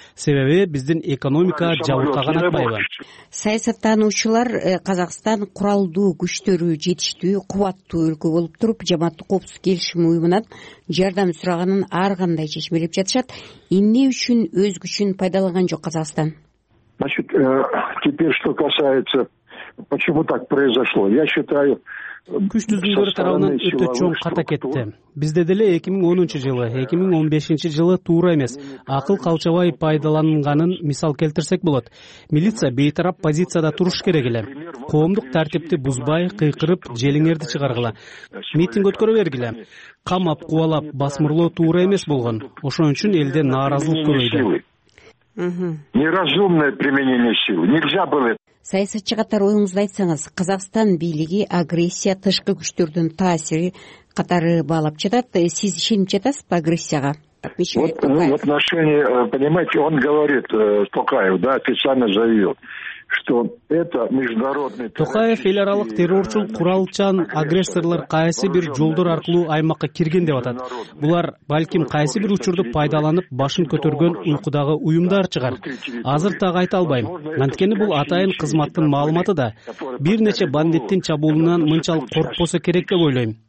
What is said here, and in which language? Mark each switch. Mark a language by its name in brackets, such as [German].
[Kyrgyz] Себеби биздин экономика жабыркаган атпайбы? Саясаттануучулар Казакстан куралдуу күчтөрү жетиштүү, кубаттуу өлкө болуп туруп, жамааттык коопсуздук келишими уюмунан жардам сураганын ар кандай чечим элеп жатышат. Эмне үчүн өз күчүн пайдаланган жок Казакстан? [Russian] Значит, теперь что касается Почему так произошло? Я считаю, [Kyrgyz] күчтүүлөр тарабынан өтө чоң ката кетти. Бизде деле 2010 жылы, 2015 жылы туура эмес акыл калчабай пайдаланганын мисал келтирсек болот. Милиция бейтарап позицияда туруш керек эле. Коомдук тартипти бузбай, кыйкырып, желиңерди чыгаргыла. Митинг өткөрө бергиле. Камап, кубалап, басмырлоо туура эмес болгон. Ошон үчүн элде нааразылык көбөйдү. [Russian] Неразумное применение силы. Нельзя было. [Kyrgyz] Саясатчы катары оюңузду айтсаңыз, Казакстан бийлиги агрессия тышкы күчтөрдүн таасири катары баалап жатат. Сиз ишенип жатасызбы агрессияга? [Russian] Вот в отношении, понимаете, он говорит, Токаев, да, официально заявил, что это международный террор. [Kyrgyz] Токаев эл аралык террорчул куралчан агрессорлор кайсы бир жолдор аркылуу аймакка кирген деп атат. Булар балким кайсы бир учурду пайдаланып башын көтөргөн уйкудагы уюмдар чыгар. Азыр так айта албайм. Анткени бул атайын кызматтын маалыматы да бир нече бандиттин чабуулунан мынчалык коркпосо керек деп ойлойм.